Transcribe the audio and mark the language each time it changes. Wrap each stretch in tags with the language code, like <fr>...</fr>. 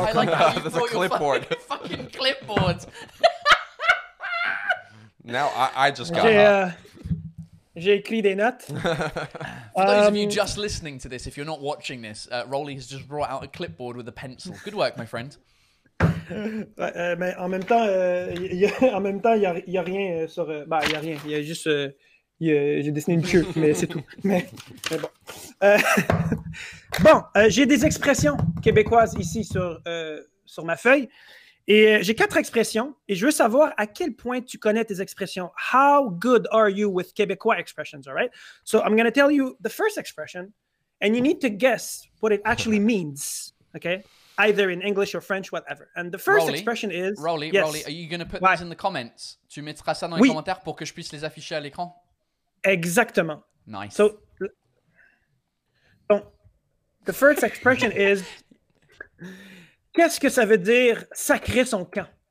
<en>comedy. I like that. There's a clipboard. Fucking clipboards. Now I just got hot.</en> <fr>J'ai écrit des notes.</fr> <en>For those of you just listening to this, if you're not watching this, Rolly has just brought out a clipboard with a pencil. Good work, my friend.</en> <fr>Mais en même temps, il y a rien sur. Bah, il y a rien. Il y a juste. J'ai dessiné une queue, mais c'est tout. Mais bon. J'ai des expressions québécoises ici sur ma feuille. Et j'ai quatre expressions. Et je veux savoir à quel point tu connais tes expressions.</fr> <en>How good are you with Québécois expressions, all right? So I'm going to tell you the first expression, and you need to guess what it actually means, okay? Either in English or French, whatever. And the first expression is... Rolly, are you going to put this in the comments?</en> <fr>Tu mettras ça dans les commentaires pour que je puisse les afficher à l'écran? Exactement.</fr> <en>Nice. So, the first expression is...</en> <fr>Qu'est-ce que ça veut dire sacrer son camp?</fr>